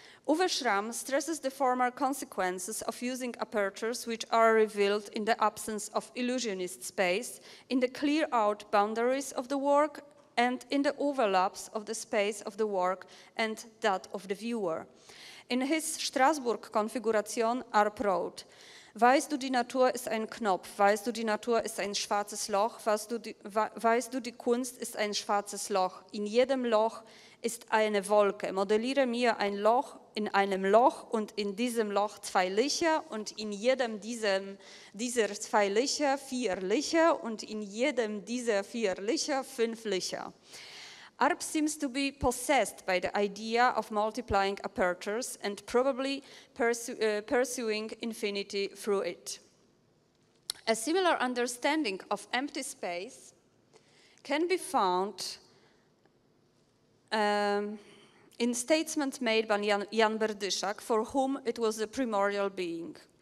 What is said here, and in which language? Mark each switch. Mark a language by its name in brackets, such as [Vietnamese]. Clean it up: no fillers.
[English] Uwe Schramm stresses the former consequences of using apertures which are revealed in the absence of illusionist space, in the clear-out boundaries of the work, and in the overlaps of the space of the work and that of the viewer. In his Strasbourg Konfiguration, ARP wrote, [German] "Weißt du, die Natur ist ein Knopf, weißt du, die Natur ist ein schwarzes Loch, weißt du, die Kunst ist ein schwarzes Loch, in jedem Loch ist eine Wolke, modelliere mir ein Loch, in einem Loch und in diesem Loch zwei Lichter und in jedem dieser zwei Lichter vier Lichter und in jedem dieser vier Lichter fünf Lichter." [English] ARP seems to be possessed by the idea of multiplying apertures and probably pursuing infinity through it. A similar understanding of empty space can be found in statements made by Jan Berdyszak, for whom it was a primordial being.